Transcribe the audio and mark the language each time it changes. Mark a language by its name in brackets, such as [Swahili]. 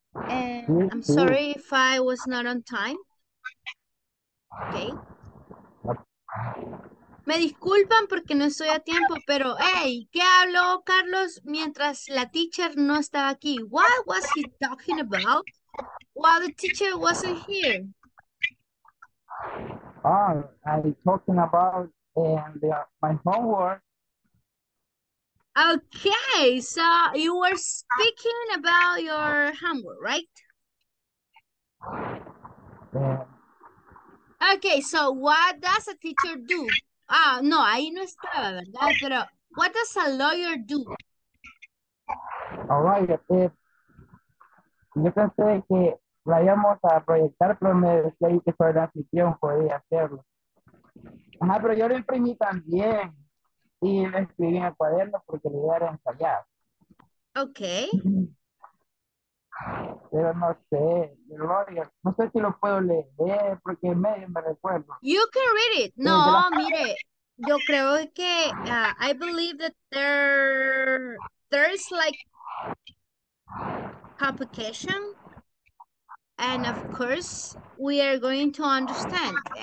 [English] And I'm sorry if I was not on time. Okay. [Spanish] Me disculpan porque no estoy a tiempo, pero hey, ¿qué habló Carlos mientras la teacher no estaba aquí? [English] What was he talking about while the teacher wasn't here? Oh, I'm talking about my homework. Okay, so you were speaking about your homework, right? Okay, so what does a teacher do? [Spanish] Ah, no, ahí no estaba, ¿verdad? [English] Pero, what does a lawyer do? [Spanish] Right, yo pensé que la íbamos a proyectar, pero me decía ahí que fue la afición, podía hacerlo. Ajá, pero yo lo imprimí también y lo escribí en el cuaderno porque la idea era ensayar. [English] Okay. [Spanish] Pero no sé, no sé si lo puedo leer porque en medio me recuerdo. [English] You can read it. [Spanish] Desde la No, mire, yo creo que [English] I believe that there is like complication, and of course we are going to understand.